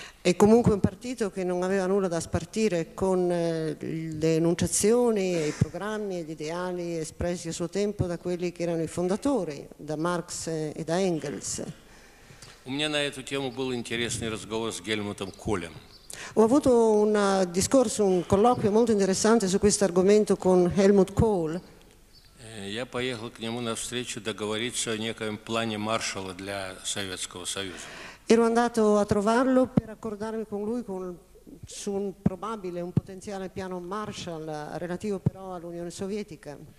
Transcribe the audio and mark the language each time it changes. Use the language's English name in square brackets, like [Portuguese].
[Italian] E comunque un partito che non aveva nulla da spartire con le enunciazioni, i programmi e gli ideali espressi a suo tempo da quelli che erano i fondatori, da Marx e da Engels. [Russian] У меня на эту тему был интересный разговор с Гельмутом Колем. [Italian] Ho avuto un discorso, un colloquio molto interessante su questo argomento con Helmut Kohl. [Russian] Я поехал к нему на встречу договориться о некоем плане Маршалла для Советского Союза. [Italian] Ero andato a trovarlo per accordarmi con lui su un probabile, un potenziale piano Marshall relativo però all'Unione Sovietica.